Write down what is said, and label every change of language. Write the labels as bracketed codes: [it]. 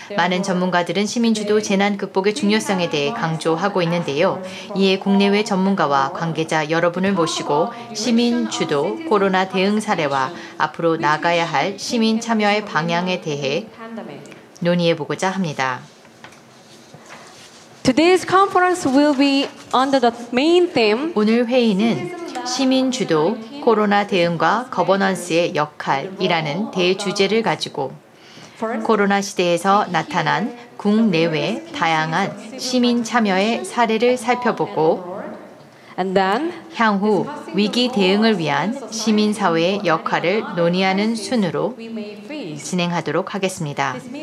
[ko] 많은 전문가들은 시민 주도 재난 극복의 중요성에 대해 강조하고 있는데요. 이에 국내외 전문가와 관계자 여러분을 모시고 시민 주도 코로나 대응 사례와 앞으로 나가야 할 시민 참여의 방향에 대해 논의해보고자 합니다. [en] Today's conference will be under the main theme. [ko] 오늘 회의는 시민 주도 코로나 대응과 거버넌스의 역할이라는 대주제를 가지고 코로나 시대에서 나타난 국내외 다양한 시민 참여의 사례를 살펴보고 향후 위기 대응을 위한 시민사회의 역할을 논의하는 순으로 진행하도록 하겠습니다.